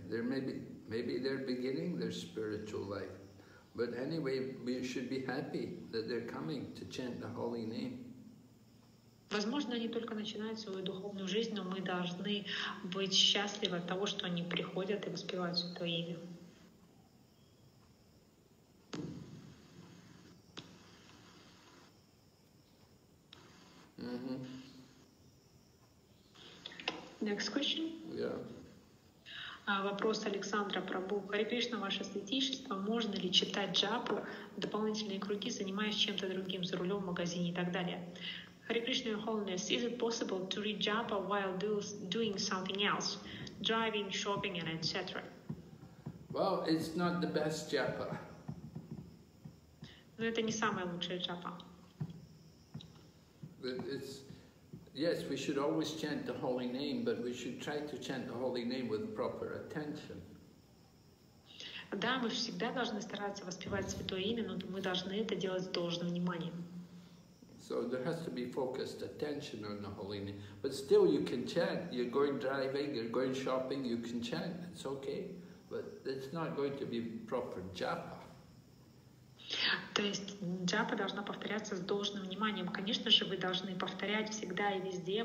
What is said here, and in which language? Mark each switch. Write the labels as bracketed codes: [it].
[en] There may be, maybe they're beginning their spiritual life. But anyway, we should be happy that they're coming to chant the holy name. [ru] Возможно, они только начинают свою духовную жизнь, но мы должны быть счастливы от того, что они приходят и воспевают святое имя. [en] Next question. Yeah. [ru] Вопрос Александра Прабу. Харе Кришна, ваше святейшество, можно ли читать джапу, дополнительные круги, занимаясь чем-то другим, за рулем, в магазине и так далее? [en] Харе Кришна, Your Holiness, is it possible to read japa while doing something else, driving, shopping, and etc.? Well, it's not the best japa. [ru] Но это не самая лучшая джапа. [en] Yes, we should always chant the holy name, but we should try to chant the holy name with proper attention. [ru] Да, мы всегда должны стараться воспевать святое имя, но мы должны это делать с должным вниманием. [en] So there has to be focused attention on the holy name. But still you can chant. You're going driving, you're going shopping, you can chant. It's okay. But it's not going to be proper japa. [ru] То есть джапа должна повторяться с должным вниманием. Конечно же, вы должны повторять всегда и везде.